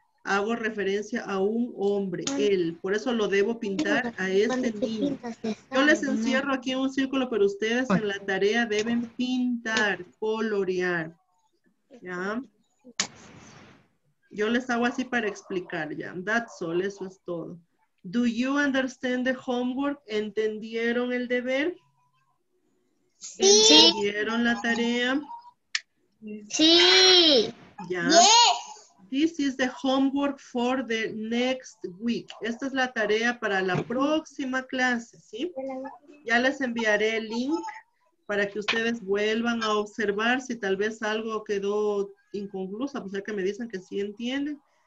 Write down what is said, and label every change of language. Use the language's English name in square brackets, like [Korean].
[Spanish] Hago referencia a un hombre, él. Por eso lo debo pintar a este niño. Yo les encierro aquí en un círculo, pero ustedes en la tarea deben pintar, colorear. ¿Ya? Yo les hago así para explicar ya. [English] That's all, [Spanish] eso es todo. [English] Do you understand the homework? [Spanish] ¿Entendieron el deber? Sí. ¿Entendieron la tarea? Sí. ¿Ya? [English] Yes. This is the homework for the next week. [Spanish] Esta es la tarea para la próxima clase, ¿sí? Ya les enviaré el link para que ustedes vuelvan a observar si tal vez algo quedó inconclusa, pues ya que me dicen que sí entienden.